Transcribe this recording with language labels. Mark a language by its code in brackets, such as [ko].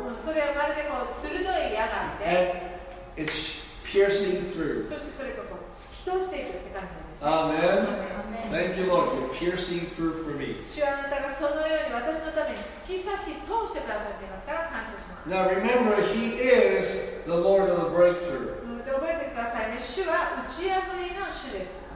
[ja] それはまるでこう鋭い矢があって [en] And it's piercing through. [ja] そしてそれがこう突き通していくって感じなんですね [en] Amen. Amen. Thank you, Lord. You're piercing through for me. [ja] 主はあなたがそのように私のために突き刺し通してくださっていますから感謝します [en] Now remember, He is the Lord of the breakthrough. [ja] 覚えてくださいね。主は打ち破りの主です